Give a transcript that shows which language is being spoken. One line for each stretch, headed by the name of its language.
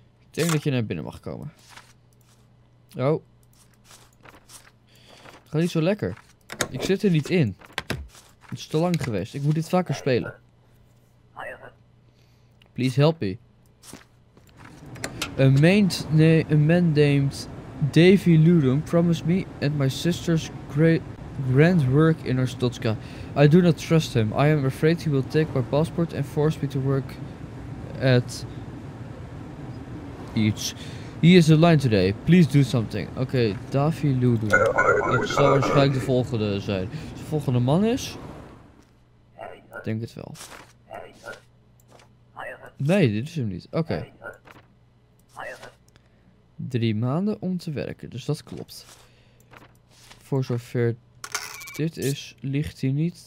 Dutch: Ik denk dat je naar binnen mag komen. Oh. Het gaat niet zo lekker. Ik zit er niet in. Het is te lang geweest. Ik moet dit vaker spelen.
English: Please help me. A man named Davy Ludum promised me and my sister's grand work in Ostotska. I do not trust him. I am afraid he will take my passport and force me to work at
Dutch: iets.
English: He is online today. Please do something. Oké, Davy Ludum.
Dutch: Het zal waarschijnlijk de volgende zijn. De volgende man is? Ik denk het wel. Nee, dit is hem niet. Oké. 3 maanden om te werken, dus dat klopt. Voor zover dit is, ligt hier niet.